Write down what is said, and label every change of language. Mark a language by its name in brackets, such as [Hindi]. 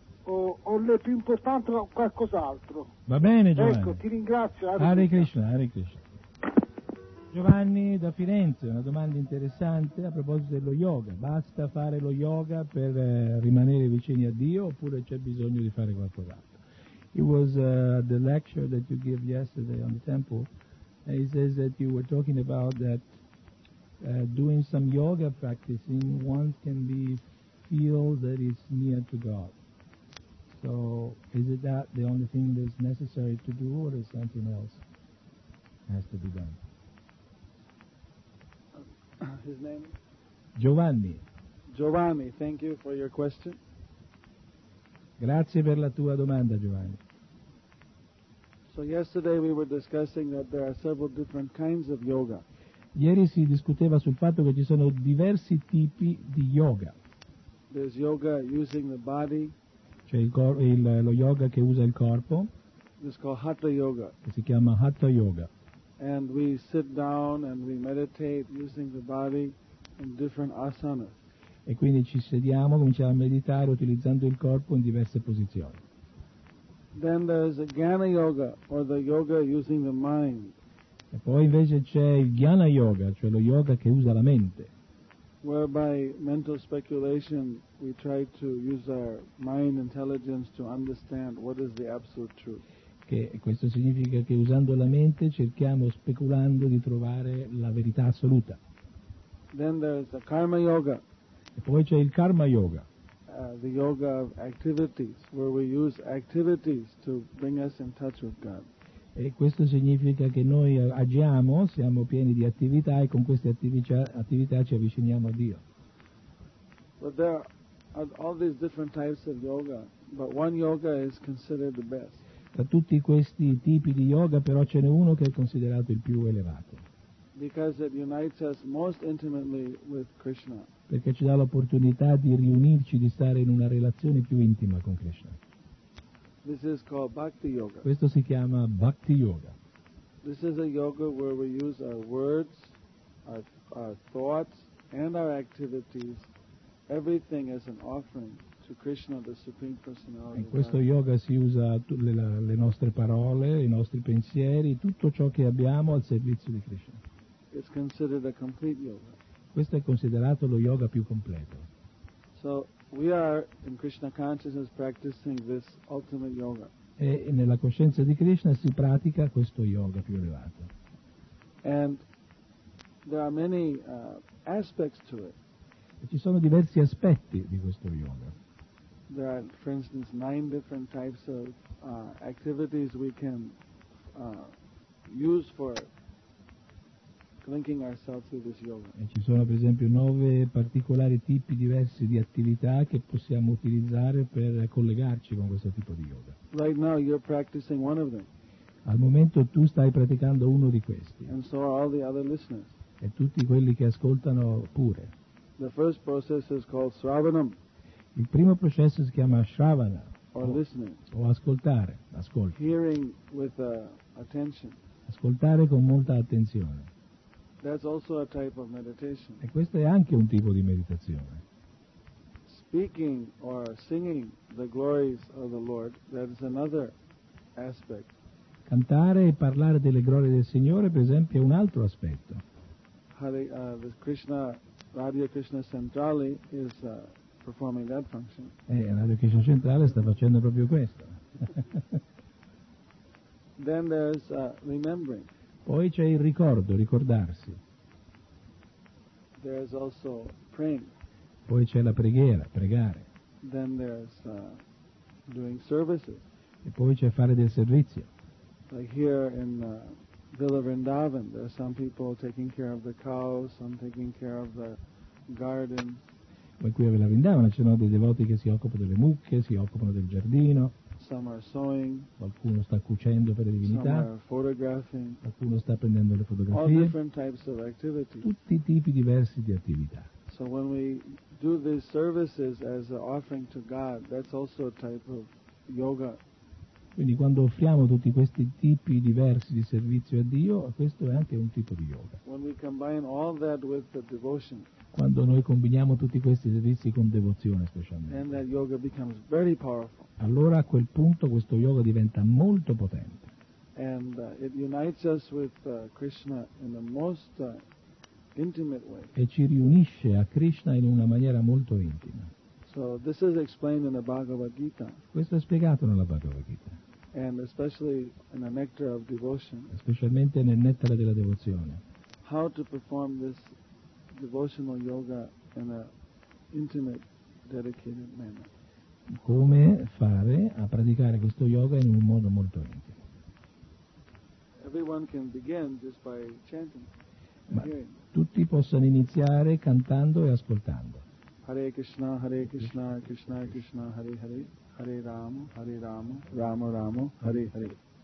[Italian] O le più importanti o qualcos'altro. Va bene, Giovanni. Ecco, ti ringrazio. [Sanskrit] Hare Krishna, Hare Krishna. [Italian] Giovanni da Firenze, una domanda interessante a proposito dello yoga. Basta fare lo yoga per rimanere vicini a Dio oppure c'è bisogno di fare qualcos'altro? [English] It was the lecture that you gave yesterday on the temple. And it says that you were talking about that doing some yoga practicing, one can be feel that is near to God. So, is it that the only thing that's necessary to do, or is something else has to be done? His name? Giovanni. Giovanni, thank you for your question. [Italian] Grazie per la tua domanda, Giovanni. [English] So, yesterday we were discussing that there are several different kinds of yoga. [Italian] Ieri si discuteva sul fatto che ci sono diversi tipi di yoga. [English] There's yoga using the body. [Italian] C'è lo yoga che usa il corpo. [English] It's called Hatha Yoga. [Italian] Che si chiama Hatha Yoga. [English] And we sit down and we meditate using the body in different asanas. [Italian] E quindi ci sediamo, cominciamo a meditare utilizzando il corpo in diverse posizioni. [English] Then there's a Jnana Yoga, or the yoga using the mind. [Italian] E poi invece c'è il Jnana Yoga, cioè lo yoga che usa la mente. [English] whereby mental speculation, we try to use our mind intelligence to understand what is the absolute truth. [Italian] Che questo significa che usando la mente cerchiamo, speculando, di trovare la verità assoluta. [English] Then there's the karma yoga. [Italian] E poi c'è il karma yoga. [English] The yoga of activities, where we use activities to bring us in touch with God. [Italian] E questo significa che noi agiamo, siamo pieni di attività e con queste attività ci avviciniamo a Dio. [English] But there are all these different types of yoga, but one yoga is considered the best. [Italian] Tra tutti questi tipi di yoga però ce n'è uno che è considerato il più elevato. [English] Because it unites us most intimately with Krishna. [Italian] Perché ci dà l'opportunità di riunirci, di stare in una relazione più intima con Krishna. [English] This is called Bhakti Yoga. [Italian] Questo si chiama Bhakti Yoga. [English] This is a yoga where we use our words, our thoughts and our activities, everything as an offering to Krishna, the Supreme Personality. [Italian] In questo yoga si usa le nostre parole, i nostri pensieri, tutto ciò che abbiamo al servizio di Krishna. [English] It's considered a complete yoga. [Italian] Questo è considerato lo yoga più completo. [English] So we are in Krishna consciousness practicing this ultimate yoga. [Italian] E nella coscienza di Krishna si pratica questo yoga più elevato. [English] And there are many aspects to it. [Italian] E ci sono diversi aspetti di questo yoga. [English] There are, for instance, 9 different types of activities we can use for linking ourselves to this yoga. [Italian] E ci sono per esempio 9 particolari tipi diversi di attività che possiamo utilizzare per collegarci con questo tipo di yoga. [English] Right now you're practicing one of them. [Italian] Al momento tu stai praticando uno di questi. [English] And so are all the other listeners. [Italian] E tutti quelli che ascoltano pure. [English] The first process is called Shravanam. [Italian] Il primo processo si chiama Shravana. [English] Or listening. [Italian] O ascoltare, ascolto. [English] Hearing with attention. [Italian] Ascoltare con molta attenzione. [English] That's also a type of meditation. [Italian] E questo è anche un tipo di meditazione. [English] Speaking or singing the glories of the Lord, that is another aspect. [Italian] Cantare e parlare delle glorie del Signore, per esempio, è un altro aspetto. [English] The Krishna Radio Krishna Centrale is performing that function. [Italian] Radio Krishna Centrale sta facendo proprio questo. [English] Then there's remembering. [Italian] Poi c'è il ricordo, ricordarsi. [English] There's also praying. [Italian] Poi c'è la preghiera, pregare. [English] Then there's doing services. [Italian] E poi c'è fare del servizio. [English] Like here in Villa Vrindavan, there are some people taking care of the cows, some taking care of the garden. [Italian] Poi qui a Villa Vrindavan ci sono dei devoti che si occupano delle mucche, si occupano del giardino. [English] Some are sewing. [Italian] Qualcuno sta cucendo per le divinità. [English] Some are photographing. [Italian] Qualcuno sta prendendo le fotografie. [English] All different types of activities. [Italian] Tutti i tipi diversi di attività. [English] So when we do these services as an offering to God, that's also a type of yoga. [Italian] Quindi quando offriamo tutti questi tipi diversi di servizio a Dio, questo è anche un tipo di yoga. [English] When we combine all that with the devotion. [Italian] Quando noi combiniamo tutti questi servizi con devozione specialmente, [English] yoga becomes very powerful. [Italian] Allora a quel punto questo yoga diventa molto potente. [English] And it unites us with Krishna in the most intimate way. [Italian] E ci riunisce a Krishna in una maniera molto intima. [English] So this is explained in the Bhagavad Gita. [Italian] Questo è spiegato nella Bhagavad Gita. [English] And especially in the nectar of devotion. [Italian] Specialmente nel nettare della devozione. [English] How to perform this devotional yoga in an intimate, dedicated manner. [Italian] Come fare a praticare questo yoga in un modo molto intimo. [English] Everyone can begin just by chanting. [Italian] Ma tutti possono iniziare cantando e ascoltando. [Sanskrit] Hare Krishna, Krishna Krishna, Hare Hare, Hare Rama, Hare Rama, Rama Rama, Hare Hare.